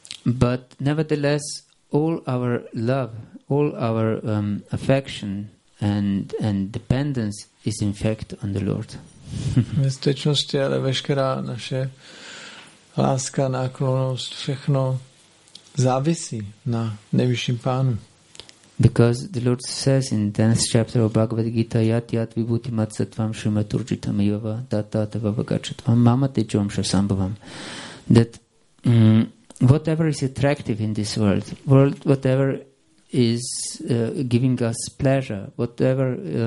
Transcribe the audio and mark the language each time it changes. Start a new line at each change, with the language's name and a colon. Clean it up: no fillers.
English: But nevertheless, all our love, all our affection and dependence is in fact on the Lord.
Czech: Ve skutečnosti ale veškerá naše láska, náklonost, všechno závisí na nejvyšším Pánu.
English: Because the Lord says in the 10th chapter of Bhagavad Gita,
Sanskrit: yat yat vibhuti matsatvam shrimaturjitam yava tatatava vagachatvam mamatejom shasambhavam,
English: that whatever is attractive in this world, whatever is giving us pleasure, whatever